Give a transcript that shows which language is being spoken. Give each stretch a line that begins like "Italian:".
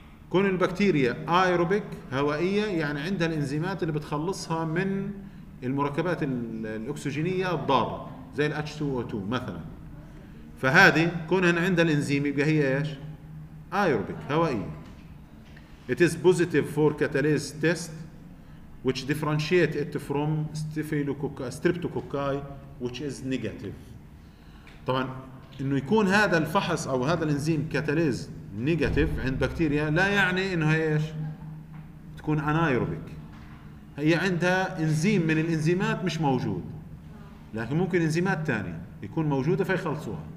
Arabic: كون البكتيريا ايروبيك هوائيه يعني عندها الانزيمات اللي بتخلصها من المركبات الاكسجينيه الضاره زي ال H2O2 مثلا، فهذه كونها عندها الانزيم يبقى هي ايش؟ ايروبيك هوائيه.
English: It is positive for catalase test which differentiate it from streptococci which is negative.
Arabic: طبعا انه يكون هذا الفحص او هذا الانزيم كاتاليز نيجاتيف عند بكتيريا لا يعني انه ايش تكون انايروبيك، هي عندها انزيم من الانزيمات مش موجود، لكن ممكن انزيمات تانية يكون موجوده فيخلصوها.